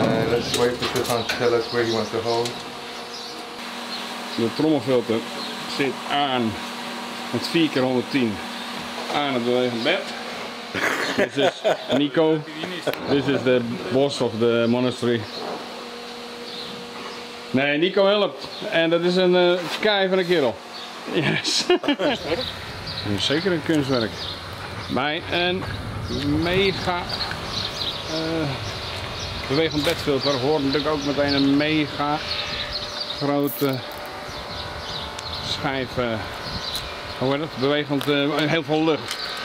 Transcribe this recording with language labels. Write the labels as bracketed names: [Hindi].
[English] Let's wait for Stefan to tell us where he wants to hold. [Dutch] De trommelfilter zit aan met 4x110 aan het bewegend bed. [English] This is Nico. This is the boss of the monastery. [Dutch] Nee, Nico helpt. En dat is een kei van een kerel. [English] Yes. [Dutch] Zeker een kunstwerk. Bij een mega bewegend bedfilter hoort natuurlijk ook meteen een mega grote schijf, hoe heet het, bewegend, heel veel lucht.